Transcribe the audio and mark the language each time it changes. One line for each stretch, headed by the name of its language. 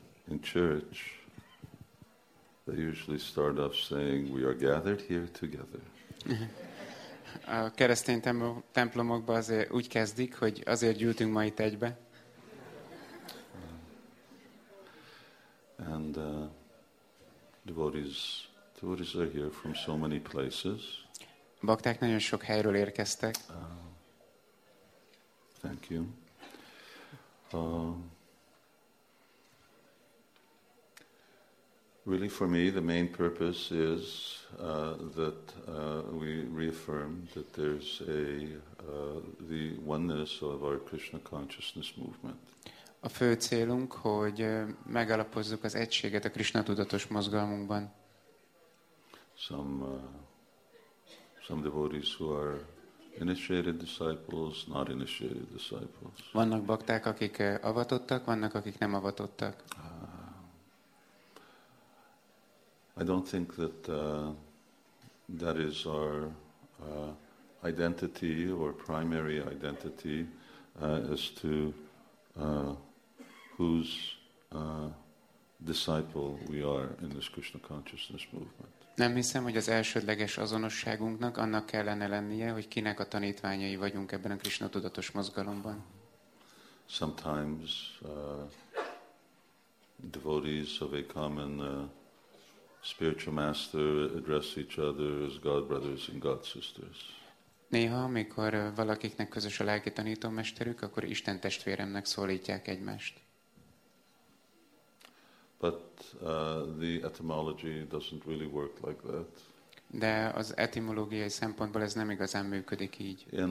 English: In church, they usually start off saying, "We are gathered here together."
Hungarian: A keresztény templomokban azért úgy kezdik, hogy azért gyűltünk ma itt egybe.
English: and devotees are here from so many places.
Hungarian: Bakták nagyon sok helyről érkeztek.
English: Thank you. Really, for me, the main purpose is that we reaffirm that there's the oneness of our Krishna consciousness movement.
Hungarian: A fő célunk, hogy megalapozzuk az egységet a Krishna tudatos mozgalmunkban.
English: Some devotees who are initiated disciples, not initiated disciples.
Hungarian: Vannak bakták, akik avatottak, vannak, akik nem avatottak.
English: I don't think that is our identity or primary identity as to whose disciple we are in this Krishna consciousness movement.
Hungarian: Nem hiszem, hogy az elsődleges azonosságunknak annak kellene lennie, hogy kinek a tanítványai vagyunk ebben a Krishna tudatos mozgalomban.
English: Sometimes devotees of a common spiritual master address each other as God brothers and God sisters.
Hungarian: Néha, amikor valakiknek közös a lelki tanító mesterük, akkor Isten testvéremnek szólítják egymást.
English: But the etymology doesn't really work like that.
Hungarian: De az etimológiai szempontból ez nem igazán működik így.